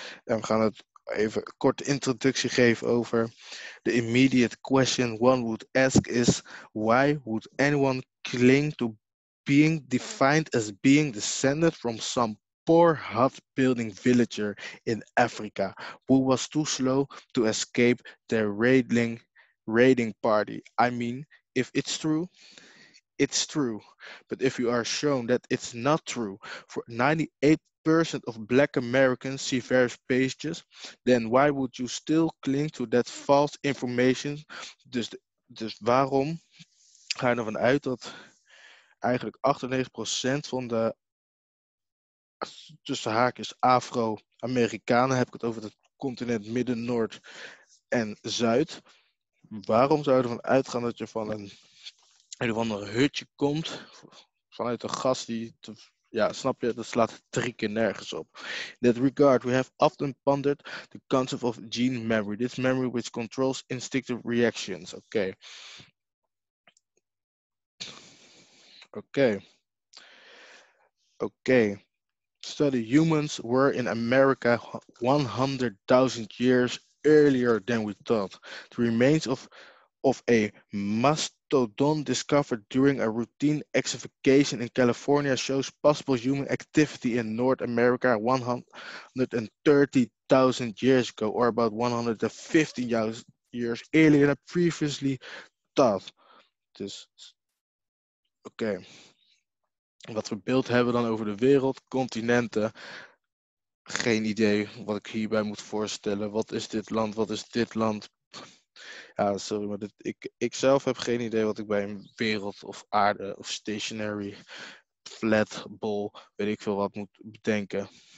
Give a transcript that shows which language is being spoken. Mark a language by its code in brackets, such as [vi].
[nl] En we gaan het even een korte introductie geven over. [en] The immediate question one would ask is: why would anyone cling to being defined as being descended from some poor hut-building villager in Africa who was too slow to escape their raiding party. I mean, if it's true, it's true. But if you are shown that it's not true for 98% of Black Americans see various pages, then why would you still cling to that false information? [nl] Dus waarom ga je ervan uit dat eigenlijk 98% van de tussen haakjes Afro-Amerikanen, heb ik het over het continent Midden, Noord en Zuid. Waarom zou je ervan uitgaan dat je van een of ander hutje komt, vanuit een gast die, ja, snap je, dat slaat drie keer nergens op. [en] In that regard, we have often pondered the concept of gene memory. This memory which controls instinctive reactions. [nl] Oké. Okay. Oké. Okay. [en] So the humans were in America 100,000 years earlier than we thought. The remains of a mastodon discovered during a routine excavation in California shows possible human activity in North America 130,000 years ago, or about 150 years earlier than previously thought. [nl] Dus, okay. Wat we beeld hebben dan over de wereld, continenten. Geen idee wat ik hierbij moet voorstellen. Wat is dit land? Wat is dit land? Ja, sorry, maar ik zelf heb geen idee wat ik bij een wereld of aarde of stationary, flat, bol, weet ik veel wat moet bedenken.